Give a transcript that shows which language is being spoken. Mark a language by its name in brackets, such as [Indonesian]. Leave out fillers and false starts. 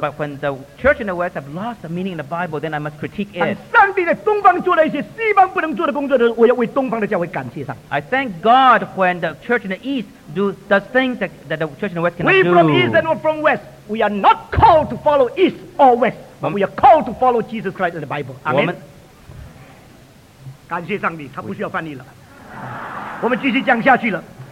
[English] But when the church in the West have lost the meaning of the Bible, then I must critique it. [Chinese] 当上帝在东方做了一些西方不能做的工作的时候，我要为东方的教会感谢上。 [English] I thank God when the church in the East does things that the church in the West cannot do. We from East and not from West, we are not called to follow East or West, but we are called to follow Jesus Christ in the Bible. Amen. [Chinese] 感谢上帝，他不需要翻译了。我们继续讲下去了。